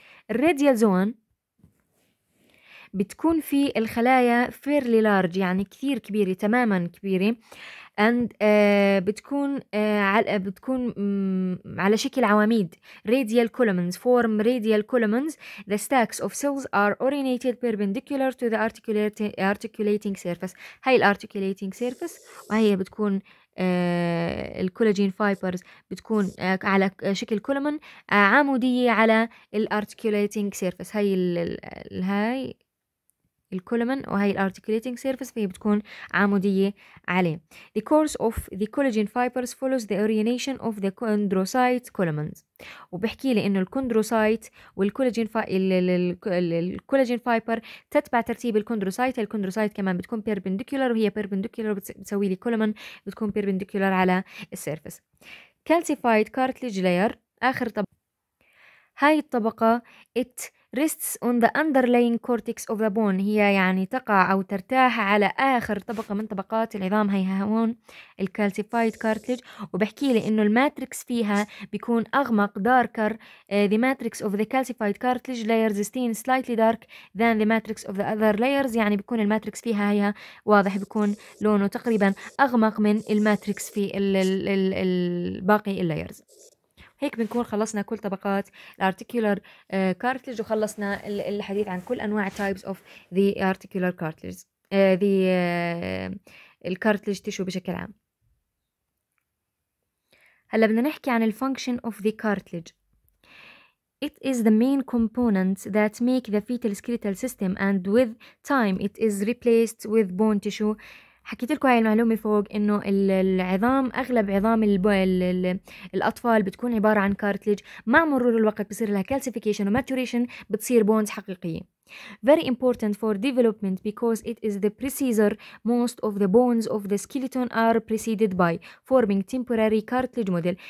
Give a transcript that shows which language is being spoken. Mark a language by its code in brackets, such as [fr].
[ar] الراديال زون بتكون في الخلايا [en] fairly large، [ar] يعني كثير كبيرة، تماما كبيرة، [en] and [ar] بتكون بتكون على شكل عواميد [en] radial columns form radial columns the stacks of cells are orientated perpendicular to the articulating surface. [ar] هاي الarticulating surface وهي بتكون الكولاجين فايبرز بتكون على شكل كولومن عامودية على الارتكوليتينج سيرفس. هاي هاي الكولومن وهي الارتكوليتينج سيرفس فهي بتكون عامودية عليه. [en] The course of the collagen fibers follows the orientation of the chondrocyte columns. [ar] وبحكي لي انه الكوندروسايت والكولاجين الكولاجين فايبر تتبع ترتيب الكوندروسايت. الكوندروسايت كمان بتكون بيربنديكولار وهي بيربنديكولار بتسوي لي كولومن بتكون بيربنديكولار على السيرفس. كالسيفايد كارتليج لاير اخر طبقة. هاي الطبقة [en] it rests on the underlying cortex of the bone. [ar] هي يعني تقع او ترتاح على اخر طبقة من طبقات العظام. هي هون الكالسيفايد كارتليج وبحكي لي انه الماتريكس فيها بيكون اغمق داركر. [en] The matrix of the calcified cartilage layers is seen slightly dark than the matrix of the other layers. [ar] يعني بيكون الماتريكس فيها هي واضح بيكون لونه تقريبا اغمق من الماتريكس في الباقي اللايرز. هيك بنكون خلصنا كل طبقات الارتيكولار كارتليج وخلصنا الحديث عن كل انواع تايبس اوف ذا ارتيكولار كارتليج ذا الكارتليج تيشو بشكل عام. هلا بدنا نحكي عن الفانكشن اوف ذا كارتليج. [en] It is the main component that make the fetal skeletal system and with time it is replaced with bone tissue. [ar] حكيت لكم هاي المعلومة فوق انه العظام اغلب عظام الاطفال بتكون عبارة عن كارتليج. مع مرور الوقت بصير لها calcification وmaturation بتصير bones حقيقية. [en] Very important for development because it is the precursor. Most of the bones of the skeleton are preceded by forming temporary cartilage model.